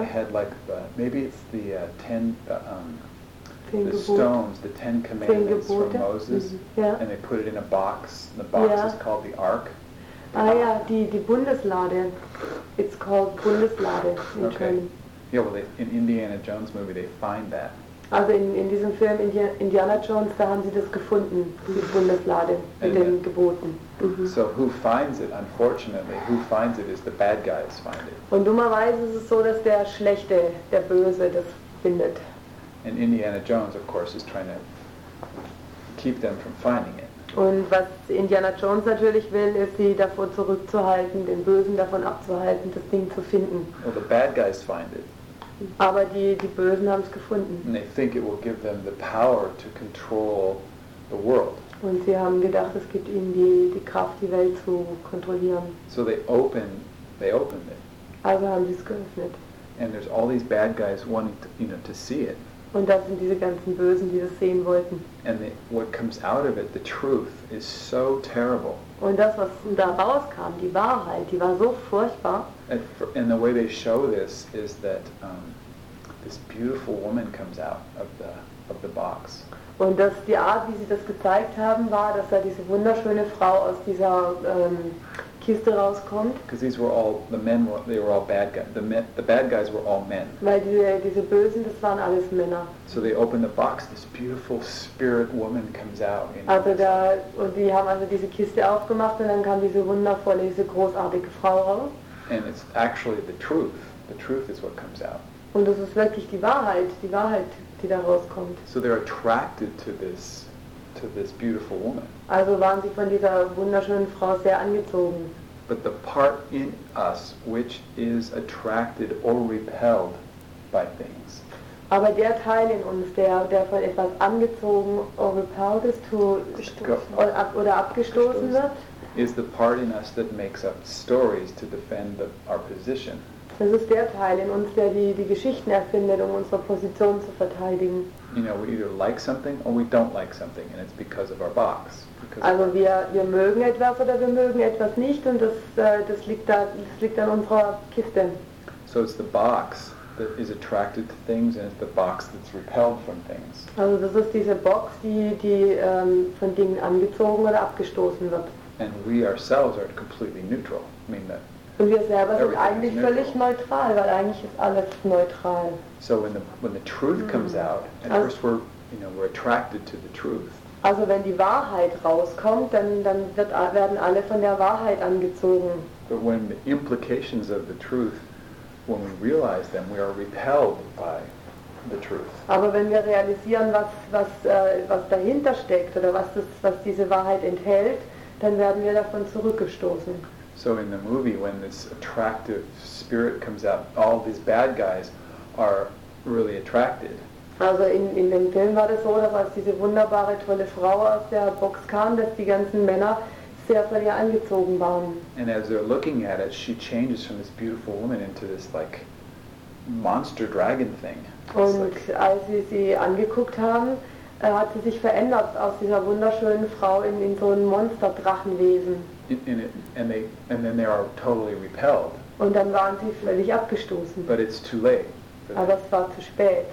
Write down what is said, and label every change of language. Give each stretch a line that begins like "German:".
English: They had like the, maybe it's the the Ten Commandments from Moses, yeah. And they put it in a box, and the box is called the Ark. Die Bundeslade, it's called Bundeslade in German. Okay. Yeah, well, in Indiana Jones movie, they find that.
German: Also in diesem Film, Indiana Jones, da haben sie das gefunden, die Bundeslade, mit den Geboten.
English: So who finds it, unfortunately, who finds it is the bad guys find it.
German: Und dummerweise ist es so, dass der Schlechte, der Böse, das findet.
English: And Indiana Jones, of course, is trying to keep them from finding it.
German: Und was Indiana Jones natürlich will, ist, sie davor zurückzuhalten, den Bösen davon abzuhalten, das Ding zu finden.
English: Well, the bad guys find it.
German: Aber die Bösen haben es gefunden.
English: And they think it will give them the power to control the world.
German: Und sie haben gedacht, es gibt ihnen die Kraft, die Welt zu kontrollieren.
English: So they opened it.
German: Also haben sie es geöffnet.
English: And there's all these bad guys wanting to, you know, to see it.
German: Und da sind diese ganzen Bösen, die das sehen wollten.
English: And what comes out of it, the truth, is so terrible.
German: Und das, was da rauskam, die Wahrheit, die war so furchtbar.
English: And the way they show this is that this beautiful woman comes out of the box.
German: Und dass die Art, wie sie das gezeigt haben, war, dass da diese wunderschöne Frau aus dieser Kiste rauskommt.
English: Because these were all the men, they were all bad guys. The bad guys were all men.
German: Weil diese Bösen, das waren alles Männer.
English: So they open the box, this beautiful spirit woman comes out. You know,
German: also da, und die haben also diese Kiste aufgemacht und dann kam diese wundervolle, diese großartige Frau raus.
English: And it's actually the truth. The truth is what comes out.
German: Und das ist wirklich die Wahrheit, die da rauskommt.
English: So they're attracted to this beautiful woman.
German: Also waren sie von dieser wunderschönen Frau sehr angezogen.
English: But the part in us which is attracted or repelled by things.
German: Aber der Teil in uns, der von etwas angezogen
English: or repelled
German: ist, oder abgestoßen wird,
English: is the part in us that makes up stories to defend our position.
German: Das ist der Teil in uns, der die Geschichten erfindet, um unsere Position zu verteidigen.
English: You know, we either like something or we don't like something, and it's because of our box.
German: Also wir mögen etwas oder wir mögen etwas nicht, und das liegt an unserer Kiste.
English: So it's the box that is attracted to things, and it's the box that's repelled from things.
German: Also das ist diese Box, die von Dingen angezogen oder abgestoßen wird.
English: and we ourselves are completely neutral. I mean that.
German: Und wir selber sind eigentlich völlig neutral, weil eigentlich ist alles neutral.
English: So when the truth comes out, first we're attracted to the truth.
German: Also wenn die Wahrheit rauskommt, dann werden alle von der Wahrheit angezogen.
English: But when the implications of the truth, when we realize them, we are repelled by the truth.
German: Aber wenn wir realisieren, was dahinter steckt oder was diese Wahrheit enthält, dann werden wir davon zurückgestoßen.
English: So in the movie, when this attractive spirit comes out, all these bad guys are really attracted.
German: Also in dem Film war das so, dass als diese wunderbare, tolle Frau aus der Box kam, dass die ganzen Männer sehr von ihr angezogen waren.
English: And as they're looking at it, she changes from this beautiful woman into this like monster dragon thing.
German: Und als sie sie angeguckt haben, hat sie sich verändert aus dieser wunderschönen Frau in so ein Monster-Drachenwesen.
English: And then they are totally repelled.
German: Und dann waren sie völlig abgestoßen.
English: But it's too late.
German: Aber es war zu spät.